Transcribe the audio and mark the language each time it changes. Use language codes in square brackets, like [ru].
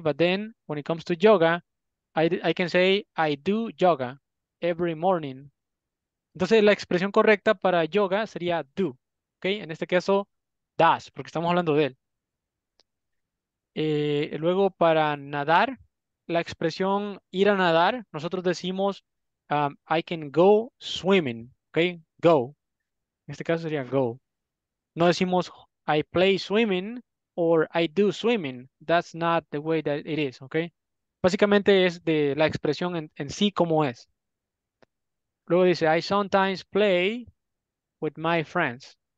[en] But then when it comes to yoga, I can say I do yoga every morning. [es] Entonces la expresión correcta para yoga sería do, okay? En este caso, does, porque estamos hablando de él. Luego para nadar, la expresión ir a nadar, nosotros decimos [en] I can go swimming, [es] okay? Go. En este caso sería go. No decimos [en] I play swimming or I do swimming. That's not the way that it is, okay? [es] Básicamente es de la expresión en sí como es. Luego dice, [en] I sometimes play with my friends.